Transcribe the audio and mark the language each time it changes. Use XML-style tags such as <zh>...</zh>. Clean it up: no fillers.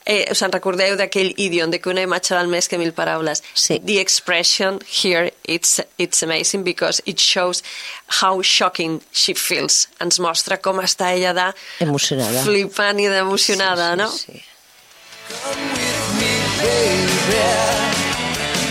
<ca>Us en recordeu d'aquell idiom de que una imatge val més que mil paraules. Sí.</ca> <en>The expression here, it's amazing because it shows how shocking she feels.</en> <ca>Ens mostra com està ella de emocionada, flipant i d'emocionada, sí, sí, no? Sí.</ca> <en>Come with me, baby.</en>